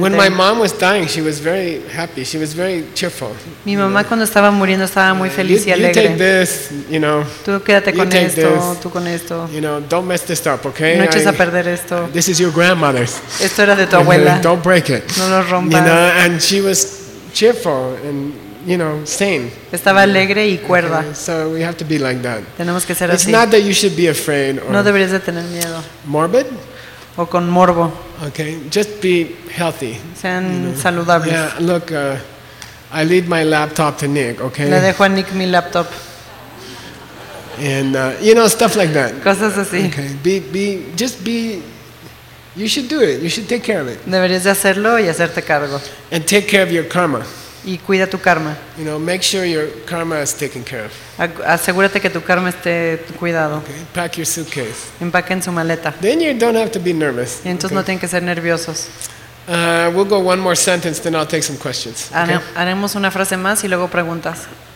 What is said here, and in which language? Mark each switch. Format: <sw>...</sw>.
<en>When my mom was dying, she was very happy. She was very cheerful.</en> <es>Mi mamá cuando estaba muriendo estaba muy feliz y alegre.</es> <en>You take this, you know.</en> <es>Tú quédate con esto, tú con esto.</es> <en>You know, don't mess this up, okay?</en> <es>No eches a perder esto.</es> <en>This is your grandmother's.</en> <es>Esto era de tu abuela.</es> <en>Don't break it.</en> <es>No lo rompas.</es> <en>You know, and she was cheerful and you know, sane.</en> <es>Estaba alegre y cuerda. Okay,</es> <en>so we have to be like that.</en> <es>Tenemos que ser así.</es> <en>It's not that you should be afraid or</en> <es>no deberías de tener miedo.</es> <en>Morbid?</en> <es>O con morbo.</es> <en>Okay, just be healthy.</en> <es>Sean saludables.</es> <en>Yeah, look, I leave my laptop to Nick, okay?</en> <es>Le dejo a Nick mi laptop.</es> <en>And you know, stuff like that.</en> <es>Cosas así.</es> <en>Okay, be you should do it. You should take care of it.</en> <es>Deberías de hacerlo y hacerte cargo.</es> <en>And take care of your karma.</en> <es>Y cuida tu karma.</es> <en>You know, make sure your karma is taken care of.</en> <es>Asegúrate que tu karma esté cuidado.</es> <en>Okay. Pack your suitcase.</en> <es>Empaquen su maleta.</es> <en>Then you don't have to be nervous.</en> <es>Y entonces okay. No tienen que ser nerviosos.</es> <en>We'll go one more sentence, then I'll take some questions.</en> <es>Haremos una frase más y luego preguntas.</es>